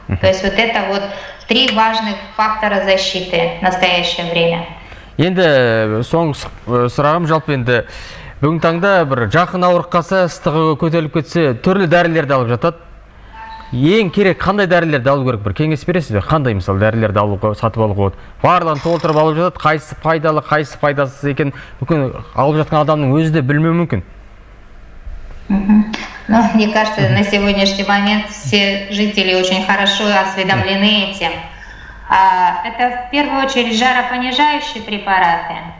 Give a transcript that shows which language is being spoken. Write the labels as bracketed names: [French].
[Russian] То есть вот это вот три важных фактора защиты в настоящее время. [Kazakh] Енді соңғы сұрағым, жалпы енді бүгін таңда бір жақын ауырып қалса, ыстығы көтеріліп кетсе, түрлі дәрілерді алып жатады. ең керек қандай дәрілерді алу керек, бір кеңес бересіз бе? Қандай мысалы дәрілерді алу, сатып алуға болады? Барлығын толтырып алып жатады, қайсысы пайдалы, қайсысы пайдасыз екен, мүмкін алып жатқан адамның өзі де білмеуі мүмкін. [Russian] Ну, мне кажется, на сегодняшний момент все жители очень хорошо осведомлены этим. Это в первую очередь жаропонижающие препараты.